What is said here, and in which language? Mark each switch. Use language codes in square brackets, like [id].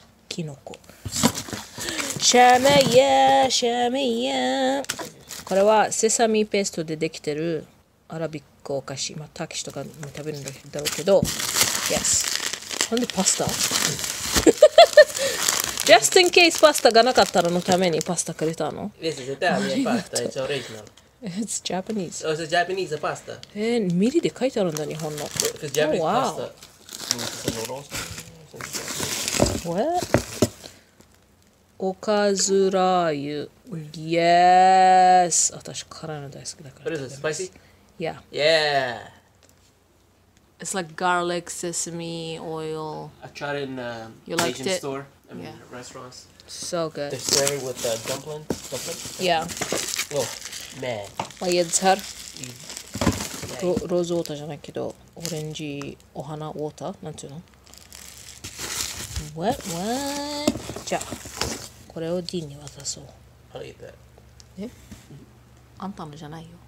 [ja] キノコシャメイヤーシャメイヤーこれはセサミペーストでできてるアラビックお菓子、まあ、ターキシとかも食べるんだろうけど Yes なんでパスタ [en] Just in case [ja] パスタがなかったらのためにパスタくれたの [en] This is Italian pasta, it's original It's Japanese Oh, it's a Japanese pasta [ja] ミリで書いてあるんだ日本の [en] Because Japanese、oh, wow. pasta What? [ja] おかずラー油 [en] Yes! [ja] 私辛いの大好きだから [en] What is it? Spicy? Yeah Yeah! It's like garlic, sesame, oil I tried it in an Asian store I mean、yeah. restaurants So good They serve it with a dumpling, dumpling? Yeah Oh man [ja] マイエズハルローズウォーターじゃないけどオレンジお花ウォーターなんていうのWhat? [en] What? [ja] じゃあ、これをディンに渡そう。 [en] I'll eat that. [ja] え、mm-hmm. あんたのじゃないよ。